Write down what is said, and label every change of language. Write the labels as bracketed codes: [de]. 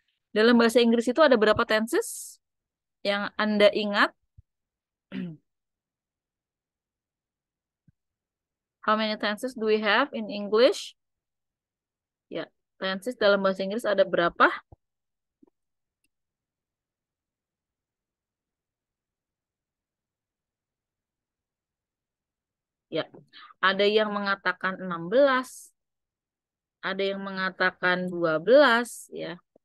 [id] Dalam bahasa Inggris itu ada berapa tenses yang Anda ingat? [en] How many tenses do we have in English? [id] Ya, tenses dalam bahasa Inggris ada berapa? Ya, ada yang mengatakan 16, ada yang mengatakan 12, ya.